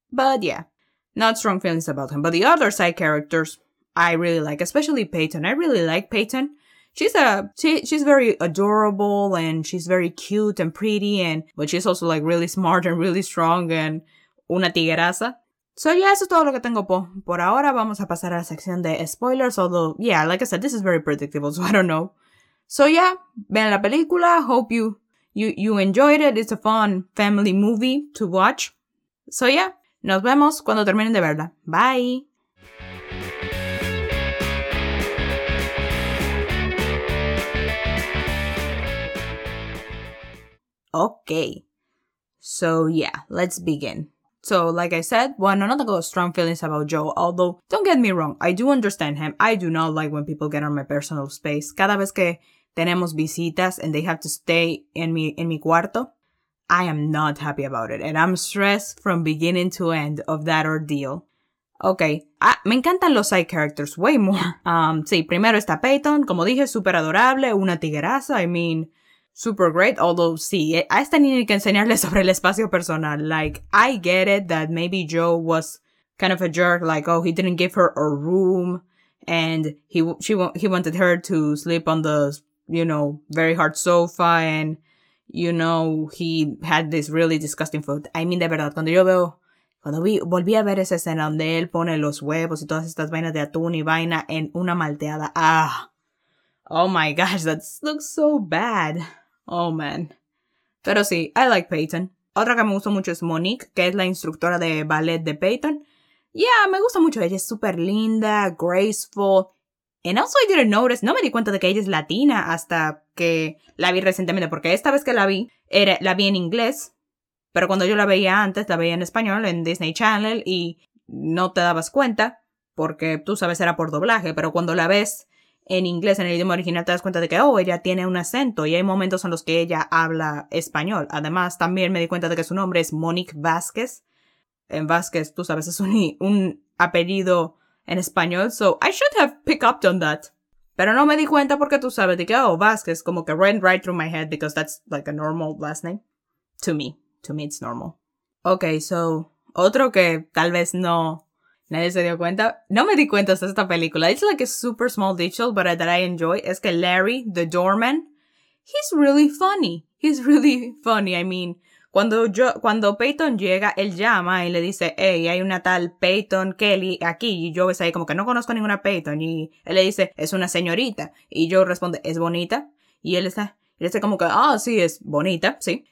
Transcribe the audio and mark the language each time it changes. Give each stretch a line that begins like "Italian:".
English: But yeah, not strong feelings about him. But the other side characters I really like, especially Peyton. I really like Peyton. She's very adorable and she's very cute and pretty. But she's also like really smart and really strong and
Spanish: una tigueraza. So yeah, eso es todo lo que tengo por ahora. Vamos a pasar a la sección de spoilers,
English: although, yeah, like I said, this is very predictable, so I don't know. So yeah,
Spanish: vean la película,
English: hope you enjoyed it, it's a fun family movie to watch.
Spanish: So yeah, nos vemos cuando terminen de verla.
English: Bye! Okay, so yeah, let's begin. So, like I said,
Spanish: bueno, no tengo
English: strong feelings about Joe, although, don't get me wrong, I do understand him. I do not like when people get on my personal space.
Spanish: Cada vez que tenemos visitas
English: and they have to stay in
Spanish: mi cuarto,
English: I am not happy about it. And I'm stressed from beginning to end of that ordeal. Okay,
Spanish: me encantan los
English: side characters way more.
Spanish: Sí, primero está Peyton, como dije, super adorable, una tigueraza,
English: I mean, super great,
Spanish: although, sí, a esta niña hay que enseñarle sobre el espacio personal.
English: Like, I get it that maybe Joe was kind of a jerk, like, oh, he didn't give her a room, and he wanted her to sleep on the, you know, very hard sofa, and, you know, he had this really disgusting food.
Spanish: I mean, de verdad, cuando volví a ver esa escena donde él pone los huevos y todas estas vainas de atún y vaina en una malteada, ah.
English: Oh my gosh, that looks so bad. Oh man.
Spanish: Pero sí,
English: I like Peyton.
Spanish: Otra que me gusta mucho es Monique, que es la instructora de ballet de Peyton. Yeah, me gusta mucho. Ella es súper linda, graceful.
English: And also I didn't notice,
Spanish: no me di cuenta de que ella es latina hasta que la vi recientemente. Porque esta vez que la vi, la vi en inglés. Pero cuando yo la veía antes, la veía en español, en Disney Channel. Y no te dabas cuenta, porque tú sabes, era por doblaje. Pero cuando la ves en inglés, en el idioma original, te das cuenta de que, oh, ella tiene un acento y hay momentos en los que ella habla español. Además, también me di cuenta de que su nombre es Monique Vázquez. En Vázquez, tú sabes, es un apellido en español.
English: So, I should have picked up on that.
Spanish: Pero no me di cuenta porque tú sabes de que, oh, Vázquez, como que
English: went right through my head because that's like a normal last name. To me, it's normal.
Spanish: Okay, so, otro que tal vez no. Nadie se dio cuenta. No me di cuenta de esta película.
English: It's like a super small detail, but that I enjoy.
Spanish: Es que
English: Larry, the doorman, he's really funny. I mean,
Spanish: cuando Peyton llega, él llama y le dice, hey, hay una tal Peyton Kelly aquí. Y yo es ahí como que no conozco ninguna Peyton. Y él le dice, es una señorita. Y yo responde, es bonita. Y él está... Y dice como que, ah, oh, sí, es bonita, sí.